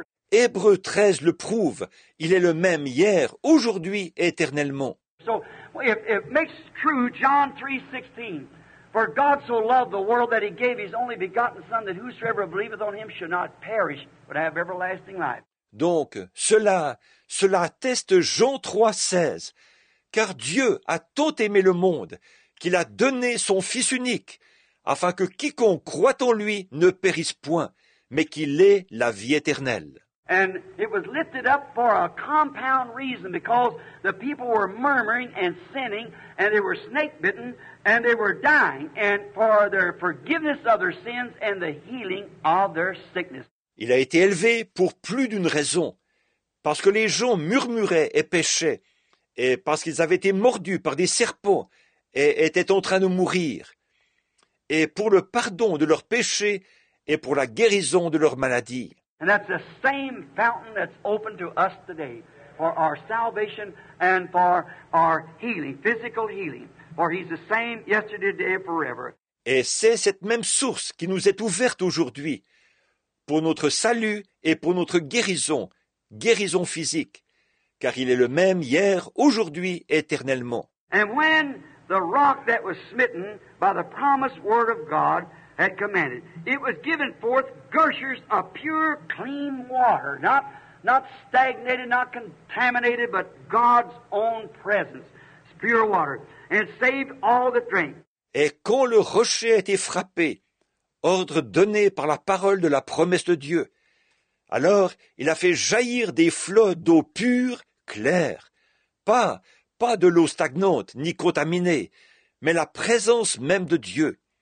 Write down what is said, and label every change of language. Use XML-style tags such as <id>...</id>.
<fr>Hébreux 13 le prouve, il est le même hier, aujourd'hui et éternellement.</fr> <en>So, it makes true John 3:16. For God so loved the world that He gave His only begotten Son, that whosoever believeth on Him should not perish, but have everlasting life.</en> <fr>Donc, cela atteste Jean 3:16. Car Dieu a tant aimé le monde qu'il a donné son Fils unique, afin que quiconque croit en lui ne périsse point, mais qu'il ait la vie éternelle.</fr> <en>And it was lifted up for a compound reason, because the people were murmuring and sinning, and they were snake-bitten, and they were dying, and for their forgiveness of their sins and the healing of their sickness.</en> <fr>Il a été élevé pour plus d'une raison, parce que les gens murmuraient et péchaient, et parce qu'ils avaient été mordus par des serpents et étaient en train de mourir, et pour le pardon de leurs péchés et pour la guérison de leurs maladies.</fr> <en>And that's the same fountain that's open to us today for our salvation and for our healing, physical healing. For He's the same yesterday, today, forever.</en> <fr>Et c'est cette même source qui nous est ouverte aujourd'hui pour notre salut et pour notre guérison, guérison physique, car il est le même hier, aujourd'hui, éternellement.</fr> <en>And when the rock that was smitten by the promised word of God had commanded, it was given forth gushers of pure, clean water, not stagnated, not contaminated, but God's own presence, it's pure water, and it saved all that drank.</en> <fr>Et quand le rocher a été frappé, ordre donné par la parole de la promesse de Dieu, alors il a fait jaillir des flots d'eau pure, claire, pas de l'eau stagnante ni contaminée, mais la présence même de Dieu.</fr>